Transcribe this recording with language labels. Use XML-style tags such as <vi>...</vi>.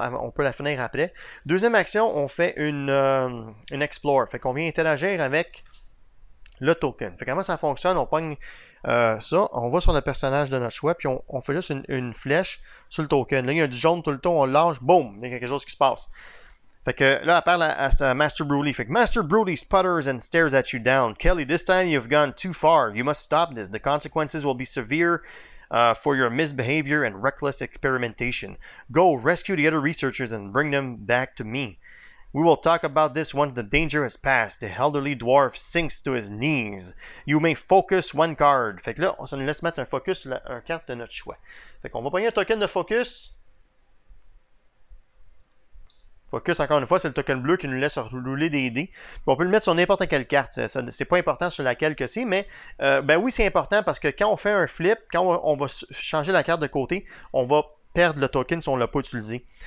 <fr>On peut la finir après. Deuxième action, on fait une explore. Fait qu'on vient interagir avec le token. Fait comment ça fonctionne? On pogne ça. On va sur le personnage de notre choix. Puis on fait juste une flèche sur le token. Là, il y a du jaune tout le temps, on lâche, boum, il y a quelque chose qui se passe. Fait que là, elle parle à Master Broly. Fait que</fr> <en>Master Broly sputters and stares at you down. Kelly, this time you've gone too far. You must stop this. The consequences will be severe for your misbehavior and reckless experimentation. Go rescue the other researchers and bring them back to me. We will talk about this once the danger has passed. The elderly dwarf sinks to his knees. You may focus one card.</en> <fr>Fait que là, on s'en laisse mettre un focus, un carte de notre choix. Fait qu'on va prendre un token de focus. Focus, encore une fois, c'est le token bleu qui nous laisse rouler des dés. Puis on peut le mettre sur n'importe quelle carte. C'est pas important sur laquelle que c'est, mais ben oui, c'est important parce que quand on fait un flip, quand on va changer la carte de côté, on va perdre le token si on ne l'a pas utilisé.</fr>